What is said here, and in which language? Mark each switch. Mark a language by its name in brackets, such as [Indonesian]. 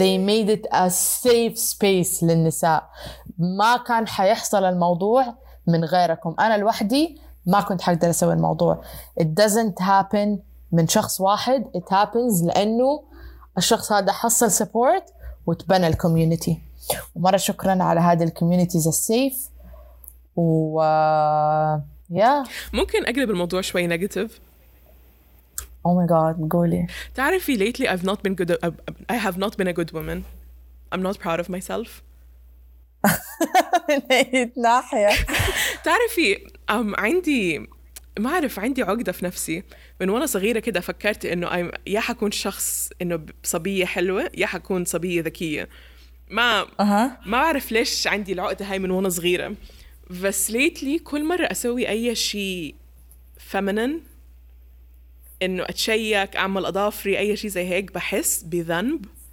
[English] They made it a safe space [Arabic] للنساء ما كان حيحصل الموضوع من غيركم أنا لوحدي ما كنت حقدر أسوي الموضوع [English] it doesn't happen [Arabic] من شخص واحد [English] it happens [Arabic] لأنه الشخص هذا حصل support وتبنى الكوميونيتي ومرة شكرا على هذه الكوميونيتي زي السيف و yeah. ممكن أقلب الموضوع شوي نيجاتيف [English] oh my god [Arabic] قولي تعرفي [English] lately I've not been good I have not been a good woman I'm not proud of myself [Arabic] من أي ناحية تعرفي عندي ما أعرف عندي عقدة في نفسي من وأنا صغيرة كده فكرت إنه يا حكون شخص إنه صبية حلوة يا حكون صبية ذكية ما ما أعرف ليش عندي العقدة هاي من وأنا صغيرة بس lately كل مرة أسوي أي شيء feminine إنه أتشيك أعمل أظافري أي شيء زي هيك بحس بذنب